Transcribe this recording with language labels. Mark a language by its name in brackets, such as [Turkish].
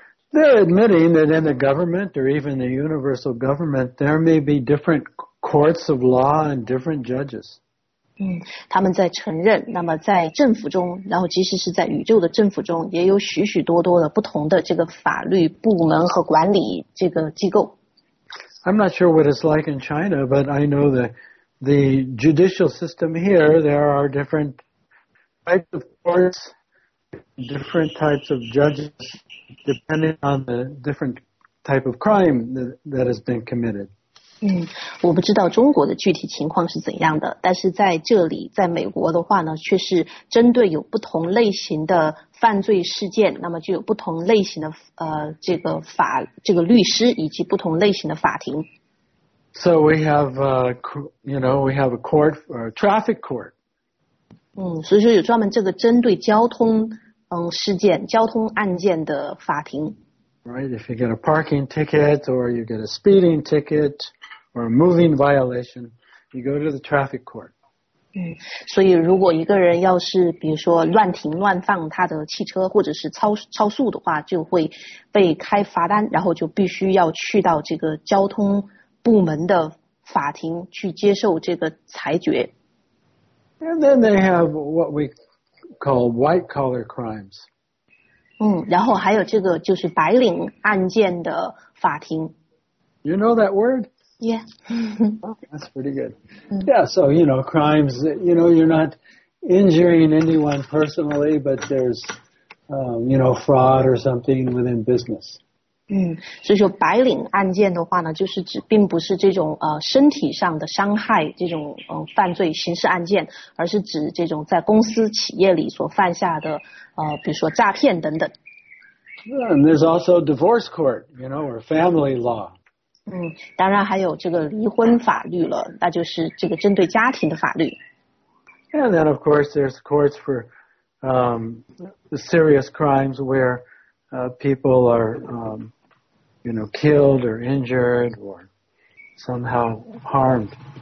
[English] They're admitting that in the government or even the universal government, there may be different courts of law and different judges. [Chinese] 他们在承认，那么在政府中，然后即使是在宇宙的政府中，也有许许多多的不同的这个法律部门和管理这个机构。 [English] I'm not sure what it's like in China, but I know that the judicial system here, there are different types of courts, different types of judges, depending on the different type of crime that has been committed. [Chinese] 我不知道中国的具体情况是怎样的，但是在这里，在美国的话呢，却是针对有不同类型的犯罪事件，那么就有不同类型的这个律师以及不同类型的法庭。 [English] So we have, we have a court, a traffic court. [Chinese] 所以说有专门这个针对交通事件、交通案件的法庭。 [English] Right, if you get a parking ticket or you get a speeding ticket. Or a moving violation, you go to the traffic court. [Chinese] 所以如果一个人要是比如说乱停乱放他的汽车或者是超速的话，就会被开罚单，然后就必须要去到这个交通部门的法庭去接受这个裁决。 [English] And then they have what we call white collar crimes. [Chinese] 然后还有这个就是白领案件的法庭。 [English] You know that word? Yeah. That's pretty good. Yeah, so, crimes, you're not injuring anyone personally, but there's, fraud or something within business. [Chinese] 所以说白领案件的话呢，就是指并不是这种身体上的伤害这种犯罪刑事案件，而是指这种在公司企业里所犯下的比如说诈骗等等。 [English] Yeah, and there's also divorce court, or family law. [Chinese] 当然还有这个离婚法律了，那就是这个针对家庭的法律。 [English] And then of course there's courts for serious crimes where people are killed or injured or somehow harmed.